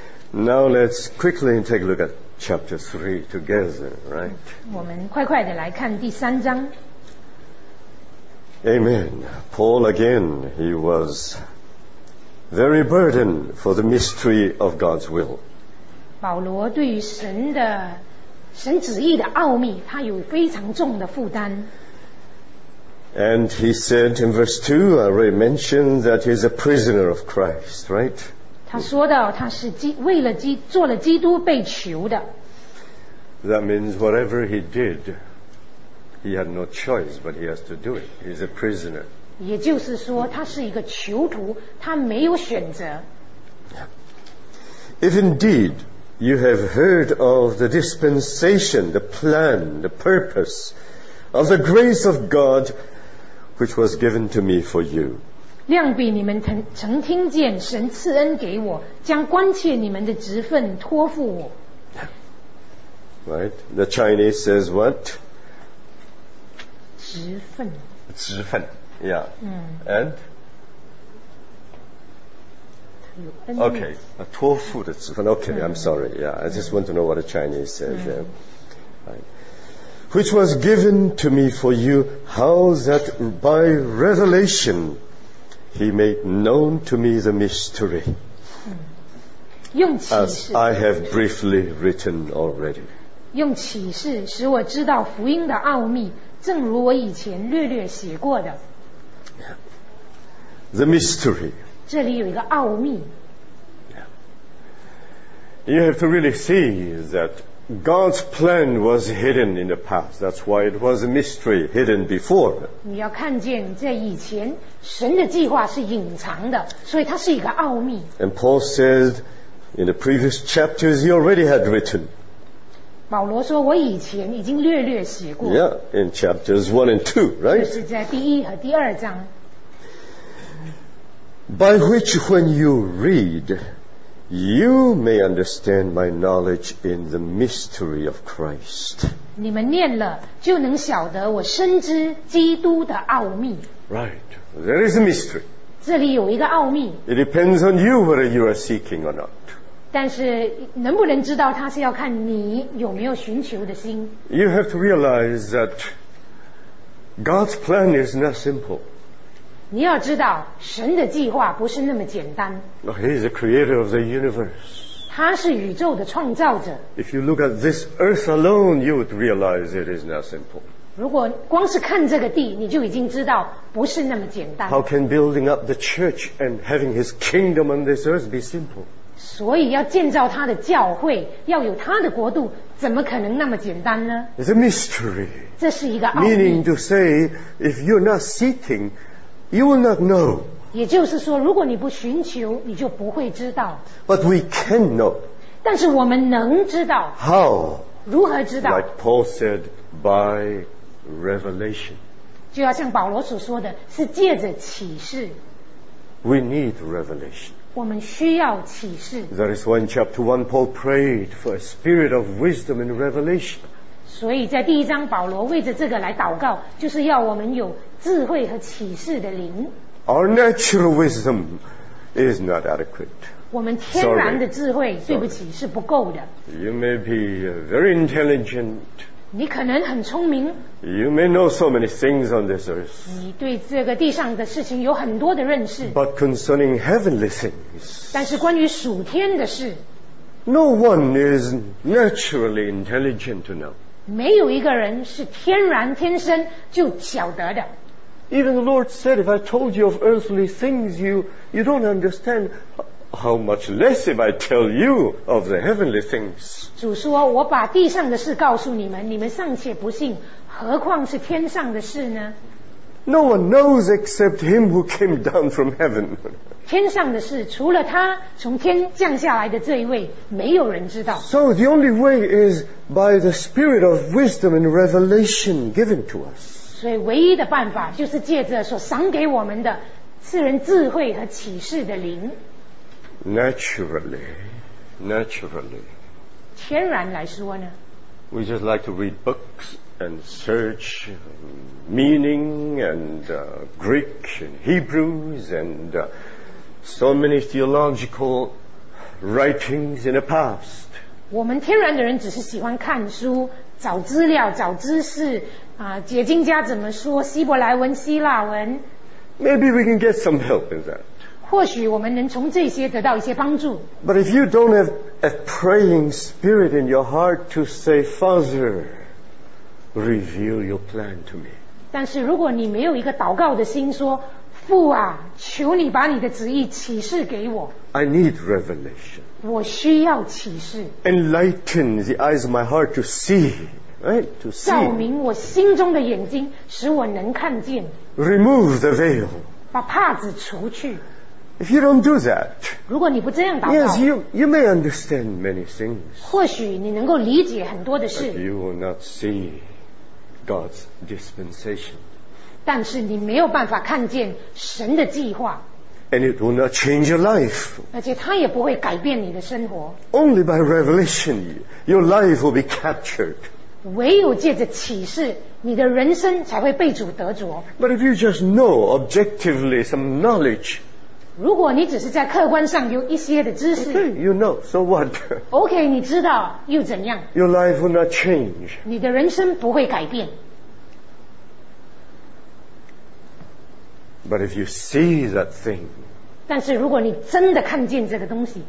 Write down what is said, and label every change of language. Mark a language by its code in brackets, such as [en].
[en] Now let's quickly take a look at chapter 3 together, right? [zh] 我们快快地来看第三章。 [en] Amen. Paul again, he was very burdened for the mystery of God's will. [zh] 保罗对于神的神旨意的奥秘，他有非常重的负担。 [en] And he said in verse 2, I already mentioned that he is a prisoner of Christ, right? [zh] 他说到他是为了基做了基督被囚的。 [en] That means whatever he did, he had no choice, but he has to do it. He's a prisoner. [zh] 也就是说他是一个囚徒，他没有选择。 [en] If indeed you have heard of the dispensation, the plan, the purpose of the grace of God,Which was given to me for you. [zh] 量比你们曾听见神赐恩给我，将关切你们的职分托付我。 [en] Right? The Chinese says what? [zh] 职分。 [en] 职分 ，Yeah.、And? Okay, [zh] 托付的职分。 [en] Okay,、I'm sorry. Yeah, I just want to know what the Chinese says there.、Which was given to me for you, how that by revelation he made known to me the mystery, as I have briefly written already. [zh] 用启示使我知道福音的奥秘，正如我以前略略写过的。 [en] The mystery. [zh] 这里有一个奥秘。 [en] You have to really see that. God's plan was hidden in the past. That's why it was a mystery hidden before. [zh] 你要看见在以前神的计划是隐藏的，所以它是一个奥秘。 [en] And Paul says, in the previous chapters, he already had written. [zh] 保罗说，我以前已经略略写过。 [en] Yeah, in chapters 1 and 2, right? [zh] 就是在第一和第二章。 [en] By which, when you read. You may understand my knowledge in the mystery of Christ. [zh] 你们念了就能晓得我深知基督的奥秘。 [en] Right, there is a mystery. [zh] 这里有一个奥秘。 [en] It depends on you whether you are seeking or not. [zh] 但是能不能知道它是要看你有没有寻求的心。 [en] You have to realize that God's plan is not simple. [zh] 你要知道神的计划不是那么简单。 [en] Oh, he is the creator of the universe. [zh] 他是宇宙的创造者。 [en] If you look at this earth alone, you would realize it is not simple. [zh] 如果光是看这个地，你就已经知道不是那么简单。 [en] How can building up the church and having his kingdom on this earth be simple? [zh] 所以要建造他的教会，要有他的国度，怎么可能那么简单呢？ [en] It's a mystery. [zh] 这是一个奥秘。 [en] Meaning to say, if you're not seeking,You will not know. [zh] 也就是说，如果你不寻求，你就不会知道。 [en] But we can know. [zh] 但是我们能知道。 [en] How? [zh] 如何知道？ [en] Like Paul said, by revelation. [zh] 就要像保罗所说的，是借着启示。 [en] We need revelation. [zh] 我们需要启示。 [en] That is why in chapter 1, Paul prayed for a spirit of wisdom and revelation. [zh] 所以在第一章，保罗为着这个来祷告，就是要我们有。智慧和启示的灵。 [en] Our natural wisdom is not adequate. [zh] 我们天然的智慧，对不起，是不够的。 [en] You may be very intelligent. [zh] 你可能很聪明。 [en] You may know so many things on this earth. [zh] 你对这个地上的事情有很多的认识。 [en] But concerning heavenly things. [zh] 但是关于属天的事。 [en] No one is naturally intelligent to know. [zh] 没有一个人是天然天生就晓得的。 [en] Even the Lord said, if I told you of earthly things, you don't understand how much less if I tell you of the heavenly things. [zh] 主说，我把地上的事告诉你们，你们尚且不信，何况是天上的事呢？ [en] No one knows except him who came down from heaven. [zh] 天上的事，除了他从天降下来的这一位，没有人知道。 [en] So the only way is,By the spirit of wisdom and revelation given to us. [zh] 所以唯一的办法就是借着所赏给我们的赐人智慧和启示的灵。 [en] Naturally. [zh] 天然来说呢? [en] We just like to read books and search meaning and Greek and Hebrews and so many theological writings in the past. [zh] 我们天然的人只是喜欢看书，找资料，找知识，解经家怎么说，希伯来文，希腊文。 [en] Maybe we can get some help in that. [zh] 或许我们能从这些得到一些帮助。 [en] But if you don't have a praying spirit in your heart to say, Father, reveal your plan to me. [zh] 但是如果你没有一个祷告的心说，父啊，求你把你的旨意启示给我。 [en] I need revelation. [zh] 我需要启示。 [en] Enlighten the eyes of my heart to see, right? To see. [zh] 照明我心中的眼睛，使我能看见。 [en] Remove the veil. [zh] 把帕子除去。 [en] If you don't do that, [zh] 如果你不这样祷告， [en] yes, you may understand many things. [zh] 或许你能够理解很多的事。 [en] But you will not see God's dispensation. [zh] 但是你没有办法看见神的计划。 [en] And it will not change your life. [zh] 而且它也不会改变你的生活。 [en] Only by revelation, your life will be captured. [zh] 唯有借着启示，你的人生才会被主得着。 [en] But if you just know objectively some knowledge, [zh] 如果你只是在客观上有一些的知识， [en] okay, you know, so what? [zh] Okay, 你知道又怎样？ [en] Your life will not change. [zh] 你的人生不会改变。 [en] But if you see that thing, [zh] 但是如果你真的看见这个东西，